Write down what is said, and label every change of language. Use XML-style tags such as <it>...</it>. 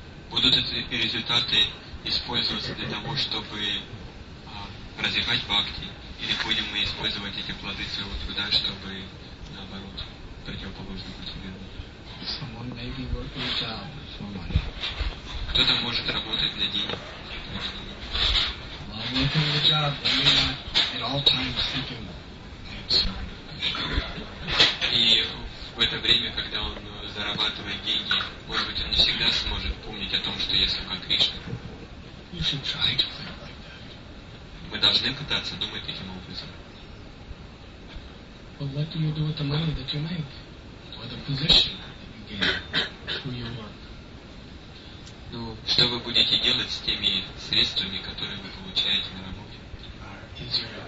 <ru>Будут эти результаты использоваться для того, чтобы развивать бхакти, или будем мы использовать эти плоды своего труда, чтобы, наоборот, противоположно поступить? Кто-то может работать на деньги.</ru> <en>While working the job, I may not at all times think of answering.</en> <ru>И в это время, когда он зарабатывает деньги, может быть, он не всегда сможет помнить о том, что я слуга Кришны.</ru> <en>You should try to think like that.</en> <ru>Мы должны пытаться думать таким образом.</ru> <en>But what do you do with the money that you make? Or the position that you gain through your work?</en> <ru>Ну, что вы будете делать с теми средствами, которые вы получаете на работе?</ru>